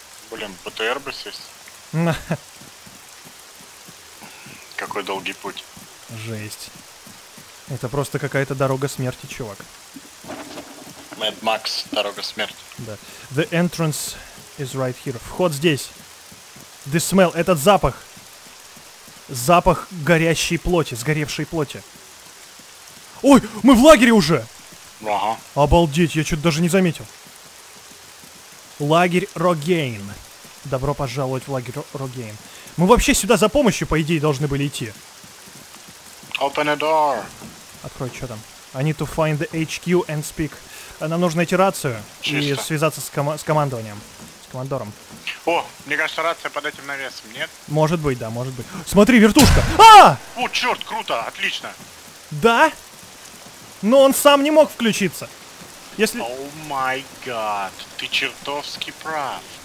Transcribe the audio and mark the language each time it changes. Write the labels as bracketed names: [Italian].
[Russian] Блин, БТР бы сесть. Какой долгий путь. Жесть. Это просто какая-то дорога смерти, чувак. Mad Max, дорога смерти. Да. [English] The entrance is right here. [Russian] Вход здесь. [English] The smell, [Russian] этот запах. Запах горящей плоти, сгоревшей плоти. Ой, мы в лагере уже! Ага. Обалдеть, я что-то даже не заметил. Лагерь Rogaine. Добро пожаловать в лагерь Rogaine. Мы вообще сюда за помощью, по идее, должны были идти. [English] Open a door. [Russian] Открой, что там? [English] I need to find the HQ and speak. [Russian] Нам нужно найти рацию. Чисто. И связаться с командованием. С командором. О, мне кажется, рация под этим навесом, нет? Может быть, да, может быть. Смотри, вертушка! А! О, черт, круто, отлично! Да? Но он сам не мог включиться. Если... [English] О май гад, [Russian] ты чертовски прав.